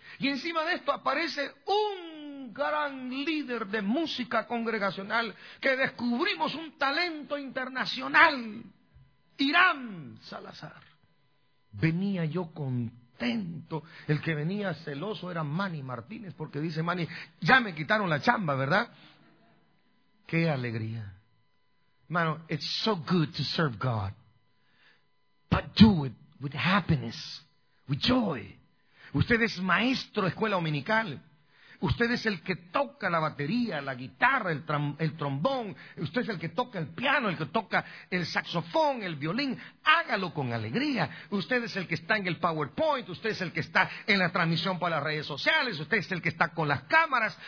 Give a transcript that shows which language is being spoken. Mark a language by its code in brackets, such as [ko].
[es] Y encima de esto aparece un gran líder de música congregacional que descubrimos un talento internacional, Irán Salazar. Venía yo contento, el que venía celoso era Manny Martínez, porque dice Manny, ya me quitaron la chamba, ¿verdad? ¡Qué alegría! [en] Hermano, it's so good to serve God, but do it with happiness, with joy. [es] Usted es maestro de escuela dominical. Usted es el que toca la batería, la guitarra, el trombón. Usted es el que toca el piano, el que toca el saxofón, el violín. Hágalo con alegría. Usted es el que está en el PowerPoint. Usted es el que está en la transmisión para las redes sociales. Usted es el que está con las cámaras.